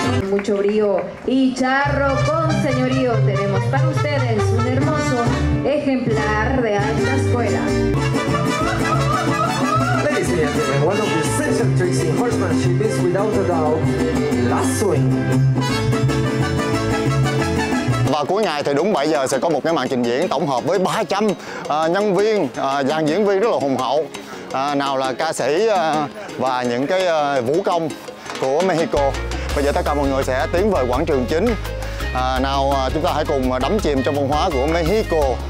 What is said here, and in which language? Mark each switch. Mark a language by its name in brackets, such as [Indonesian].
[Spanish] Mucho brío y charro con señorío. Tenemos para ustedes un hermoso ejemplar de alta escuela. [English] Ladies and gentlemen, one of the essential tricks in horsemanship is without a doubt lassoing. [Vietnamese] Và cuối ngày thì đúng 7 giờ sẽ có một cái màn trình diễn tổng hợp với 300 nhân viên, dàn diễn viên rất là hùng hậu. Nào là ca sĩ và những cái vũ công của Mexico. Bây giờ tất cả mọi người sẽ tiến về quảng trường chính. Nào chúng ta hãy cùng đắm chìm trong văn hóa của Mexico.